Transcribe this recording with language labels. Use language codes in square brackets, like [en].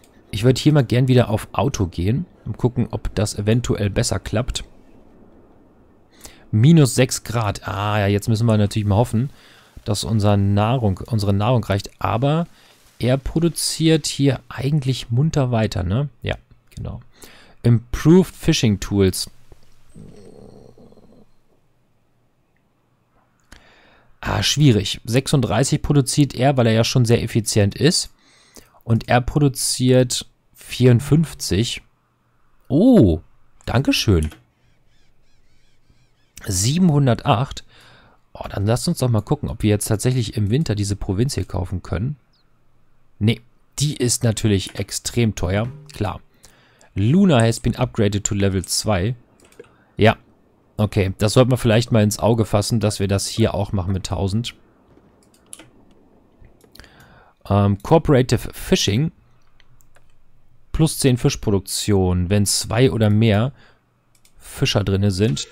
[de] Ich würde hier mal gern wieder auf Auto gehen und gucken, ob das eventuell besser klappt. Minus 6 Grad. Ah ja, jetzt müssen wir natürlich mal hoffen, dass unsere Nahrung reicht. Aber er produziert hier eigentlich munter weiter, ne? Ja, genau. [en] Improved Fishing Tools. [de] Ah, schwierig. 36 produziert er, weil er ja schon sehr effizient ist. Und er produziert 54. Oh, dankeschön. 708. Oh, dann lasst uns doch mal gucken, ob wir jetzt tatsächlich im Winter diese Provinz hier kaufen können. Nee, die ist natürlich extrem teuer. Klar. [en] Luna has been upgraded to Level 2. [de] Ja. Okay, das sollte man vielleicht mal ins Auge fassen, dass wir das hier auch machen mit 1000. Cooperative Fishing. Plus 10 Fischproduktion, wenn 2 oder mehr Fischer drinne sind.